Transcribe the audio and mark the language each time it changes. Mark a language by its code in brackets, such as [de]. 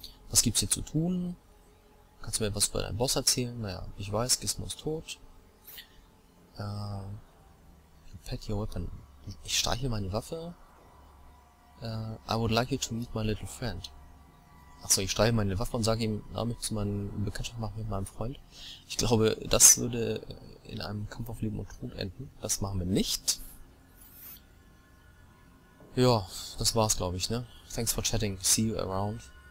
[de] Was gibt's hier zu tun? Kannst du mir was über deinen Boss erzählen? Naja, ich weiß, Gizmo ist tot. [en] Pet your weapon. [de] Ich streiche meine Waffe. [en] I would like you to meet my little friend. [de] Achso, ich streiche meine Waffe und sage ihm, na, möchtest du mal eine Bekanntschaft machen mit meinem Freund? Ich glaube, das würde in einem Kampf auf Leben und Tod enden. Das machen wir nicht. Ja, das war's, glaube ich, ne? [en] Thanks for chatting. See you around.